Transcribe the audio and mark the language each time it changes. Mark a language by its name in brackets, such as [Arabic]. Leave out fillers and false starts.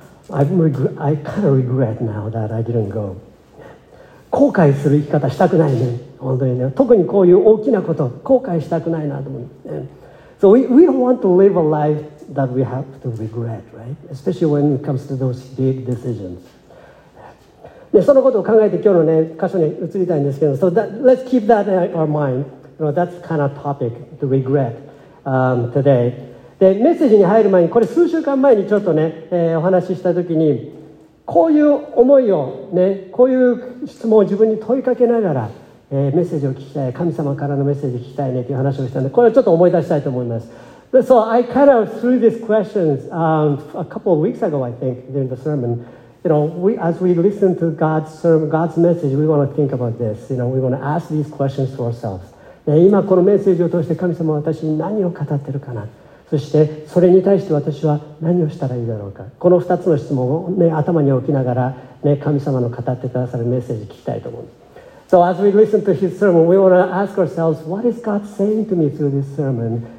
[English] I kind of regret now that I didn't go. [Japanese] 後悔する生き方したくないね、本当にね。特にこういう大きなこと後悔したくないなと思う。 [English] So we don't want to live a life that we have to regret, right? Especially when it comes to those big decisions. [Japanese] でそのことを考えて今日のね箇所に移りたいんですけど、 [English] So that, let's keep that in our mind. You know, that's kind of topic, the regret, today. [Japanese] でメッセージに入る前に、これ数週間前にちょっとね、お話しした時に、こういう思いをね、こういう質問を自分に問いかけながら、メッセージを聞きたい、神様からのメッセージを聞きたいねという話をしたので、これをちょっと思い出したいと思います。 [English] So I kind of threw these questions a couple of weeks ago, I think, during the sermon. You know, we, as we listen to God's sermon, God's message, we want to think about this. You know, we want to ask these questions to ourselves. [Japanese] で今このメッセージを通して神様は私に何を語ってるかな、そしてそれに対して私は何をしたらいいだろうか、この2つの質問を、ね、頭に置きながら、ね、神様の語ってくださるメッセージを聞きたいと思う。 [English] So as we listen to his sermon, we want to ask ourselves, what is God saying to me through this sermon?